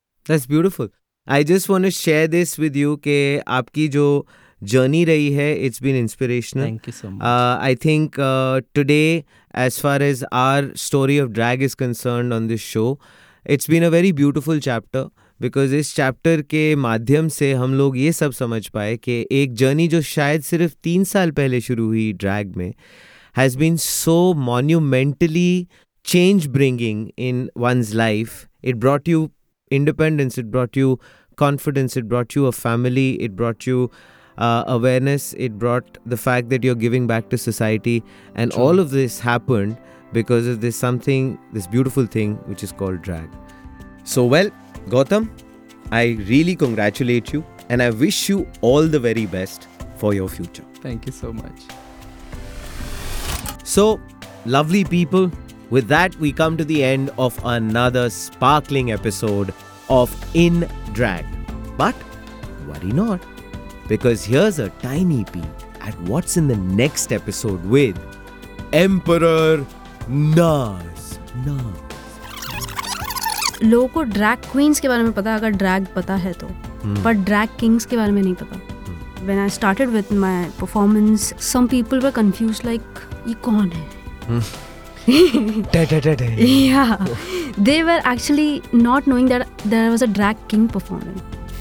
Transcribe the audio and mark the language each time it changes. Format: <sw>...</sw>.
<en>That's beautiful. I just want to share this with you</en> <hi>ke aapki jo journey rahi hai,</hi> <en>it's been inspirational. Thank you so much. I think today, as far as our story of drag is concerned on this show, it's been a very beautiful chapter.</en> <hi>Because इस chapter के माध्यम से हम लोग ये सब समझ पाए कि एक जर्नी जो शायद सिर्फ 3 साल पहले शुरू हुई ड्रैग में</hi> <en>Has been so monumentally change bringing in one's life. It brought you independence, it brought you confidence, it brought you a family, it brought you awareness, it brought the fact that you are giving back to society. And all of this happened because of this something, this beautiful thing which is called drag. So well Gautam, I really congratulate you and I wish you all the very best for your future. Thank you so much. So, lovely people, with that we come to the end of another sparkling episode of In Drag. But worry not, because here's a tiny peek at what's in the next episode with Emperor Naz. Naz.</en> <hi>लोगों को drag queen's के बारे में पता है अगर drag पता है तो, पर ड्रैग किंग्स के बारे में नहीं पता.</hi> <en>when I started with my performance some people were confused like</en> <hi>ये कौन है. या</hi> <en>They were actually not knowing that there was a drag king performing.</en>